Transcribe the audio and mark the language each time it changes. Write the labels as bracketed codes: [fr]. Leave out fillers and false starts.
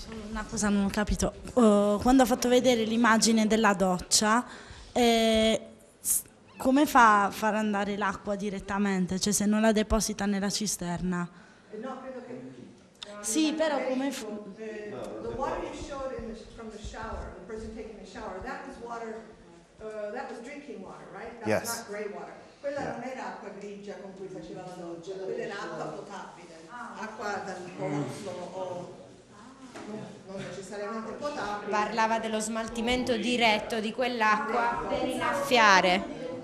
[it] Una cosa non ho capito, quando ho fatto vedere l'immagine della doccia, come fa a far andare l'acqua direttamente, cioè se non la deposita nella cisterna? No, credo che sì, però come [en] the water you showed in the, from the shower, the person taking the shower. That was water, that was drinking water, right? That yes. was not gray water. [it] Quella yeah. non era acqua grigia con cui faceva la doccia, quella era acqua potabile, acqua dal pozzo o... Non necessariamente potabile. Parlava dello smaltimento diretto di quell'acqua per innaffiare.